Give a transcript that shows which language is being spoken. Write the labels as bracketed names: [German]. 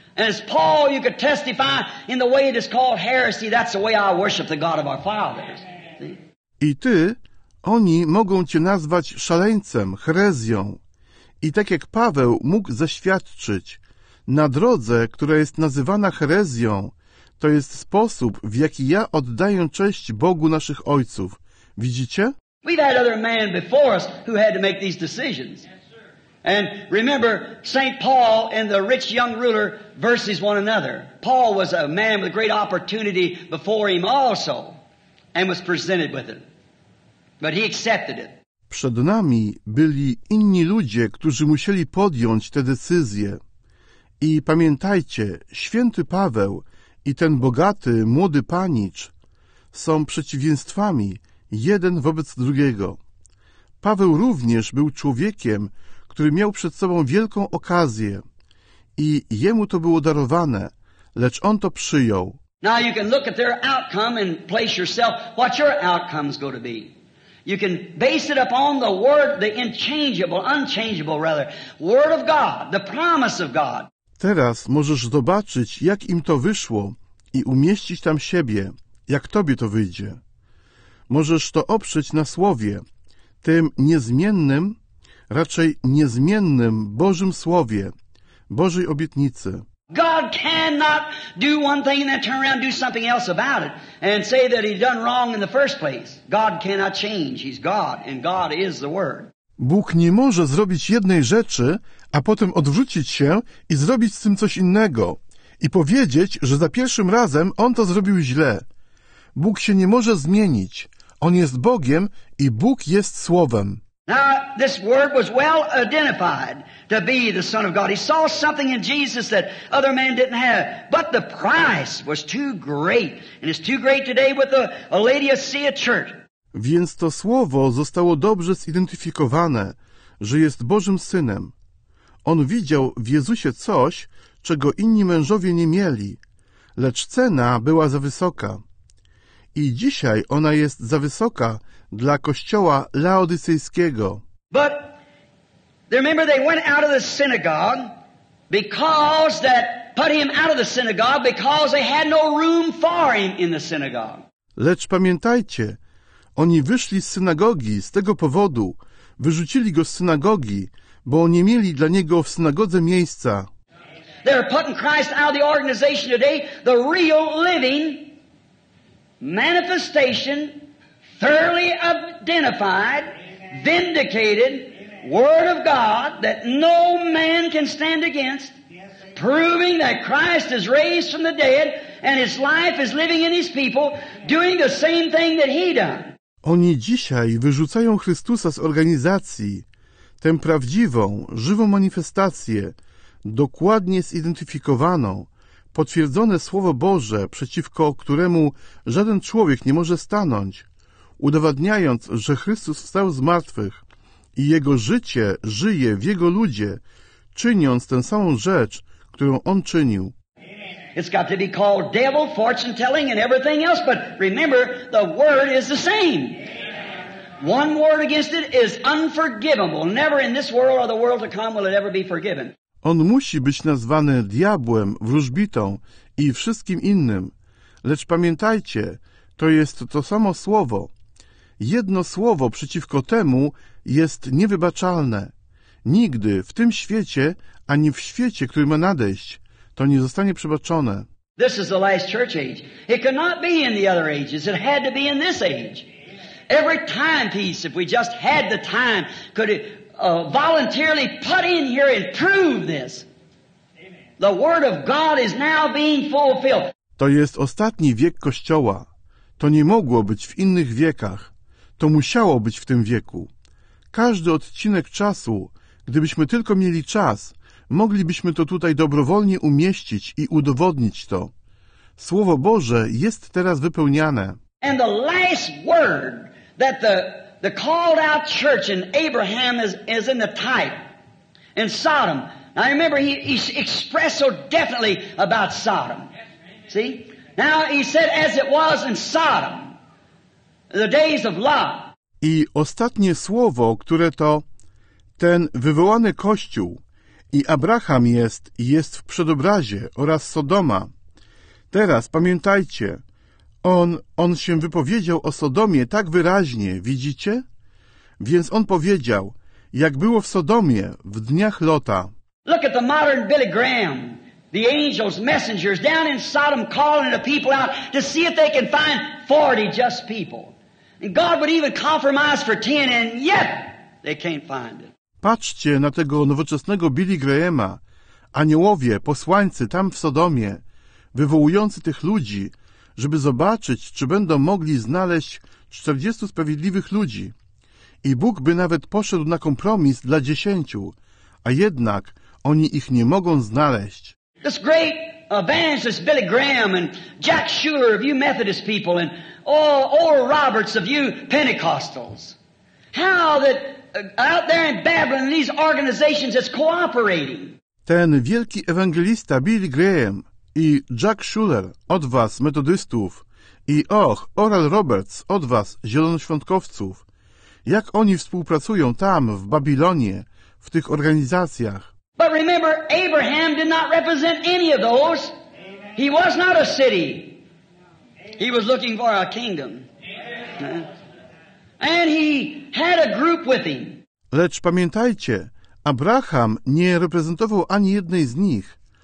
[English] And as Paul, you could testify in the way it is called heresy, that's the way I worship the God of our fathers. [Polish] I ty, oni mogą cię nazwać szaleńcem, herezją. I tak jak Paweł mógł zaświadczyć, na drodze, która jest nazywana herezją, to jest sposób, w jaki ja oddaję cześć Bogu naszych ojców. Widzicie? [English] We've had other men before us who had to make these decisions. And remember, St. Paul and the rich young ruler versus one another. Paul was a man with great opportunity before him also, and was presented with it. But he accepted it. [Polish] Przed nami byli inni ludzie, którzy musieli podjąć tę decyzję. I pamiętajcie, święty Paweł i ten bogaty, młody panicz są przeciwieństwami jeden wobec drugiego. Paweł również był człowiekiem, który miał przed sobą wielką okazję i jemu to było darowane, lecz on to przyjął. [English] Now you can look at their outcome and place yourself what your outcome's going to be. You can base it upon the word, the unchangeable rather, word of God, the promise of God. [Polish] Teraz możesz zobaczyć, jak im to wyszło i umieścić tam siebie, jak tobie to wyjdzie. Możesz to oprzeć na słowie, tym niezmiennym, raczej niezmiennym Bożym Słowie, Bożej obietnicy. [English] God cannot do one thing and then turn around and do something else about it and say that he's done wrong in the first place. God cannot change. He's God and God is the Word. [Polish] Bóg nie może zrobić jednej rzeczy, a potem odwrócić się i zrobić z tym coś innego i powiedzieć, że za pierwszym razem on to zrobił źle. Bóg się nie może zmienić. On jest Bogiem i Bóg jest Słowem. [English] Now, this word was well identified to be the Son of God. He saw something in Jesus that other men didn't have. But the price was too great. And it's too great today with the Laodicea church. [Polish] Więc to słowo zostało dobrze zidentyfikowane, że jest Bożym Synem. On widział w Jezusie coś, czego inni mężowie nie mieli. Lecz cena była za wysoka. I dzisiaj ona jest za wysoka dla kościoła laodycejskiego. [English] But remember they went out of the synagogue because that put him out of the synagogue because they had no room for him in the synagogue. [Polish] Lecz pamiętajcie, oni wyszli z synagogi z tego powodu, wyrzucili go z synagogi, bo nie mieli dla niego w synagodze miejsca. [English] They're putting Christ out of the organization today, the real living manifestation thoroughly identified, vindicated, word of God that no man can stand against, proving that Christ is raised from the dead and his life is living in his people, doing the same thing that he done. [Polish] Oni dzisiaj wyrzucają Chrystusa z organizacji, tę prawdziwą, żywą manifestację, dokładnie zidentyfikowaną, potwierdzone Słowo Boże, przeciwko któremu żaden człowiek nie może stanąć, udowadniając, że Chrystus wstał z martwych i Jego życie żyje w Jego ludzie, czyniąc tę samą rzecz, którą On czynił. [English] It's got to be called devil, fortune telling, and everything else, but remember, the word is the same. One word against it is unforgivable. Never in this world or the world to come will it ever be forgiven. [Polish] On musi być nazwany diabłem, wróżbitą i wszystkim innym. Lecz pamiętajcie, to jest to samo słowo. Jedno słowo przeciwko temu jest niewybaczalne. Nigdy w tym świecie, ani w świecie, który ma nadejść, to nie zostanie przebaczone. [English] This is the last church age. It could not be in the other ages. It had to be in this age. Every time piece, if we just had the time, could it voluntarily put in here and prove this. The word of God is now being fulfilled. [Polish] To jest ostatni wiek Kościoła. To nie mogło być w innych wiekach. To musiało być w tym wieku. Każdy odcinek czasu, gdybyśmy tylko mieli czas, moglibyśmy to tutaj dobrowolnie umieścić i udowodnić to. Słowo Boże jest teraz wypełniane. [English] And the last word that the called out church in Abraham is in the type in Sodom. Now remember he expressed so definitely about Sodom. See? Now he said as it was in Sodom, the days of Lot. [Polish] I ostatnie słowo, które to ten wywołany kościół i Abraham jest w przedobrazie oraz Sodoma. Teraz pamiętajcie, on się wypowiedział o Sodomie tak wyraźnie, widzicie? Więc on powiedział, jak było w Sodomie w dniach Lota. [English] Look at the modern Billy Graham, the angels, messengers down in Sodom calling the people out to see if they can find 40 just people. And God would even compromise for 10 and yet they can't find it. [Polish] Patrzcie na tego nowoczesnego Billy Grahama, aniołowie, posłańcy tam w Sodomie, wywołujący tych ludzi, żeby zobaczyć, czy będą mogli znaleźć 40 sprawiedliwych ludzi. I Bóg by nawet poszedł na kompromis dla 10, a jednak oni ich nie mogą znaleźć. [English] This great evangelist Billy Graham and Jack Schuler of you Methodist people and Oral Roberts of you Pentecostals. How that out there in Babylon, these organizations is cooperating. [Polish] Ten wielki ewangelista Billy Graham i Jack Schuler od was, metodystów, i Oral Roberts od was, zielonoświątkowców, jak oni współpracują tam, w Babilonie, w tych organizacjach. [English] But remember, Abraham did not represent any of those. He was not a city. He was looking for a kingdom. And he had a group with him. [Polish] Lecz pamiętajcie, Abraham nie reprezentował ani jednej z nich.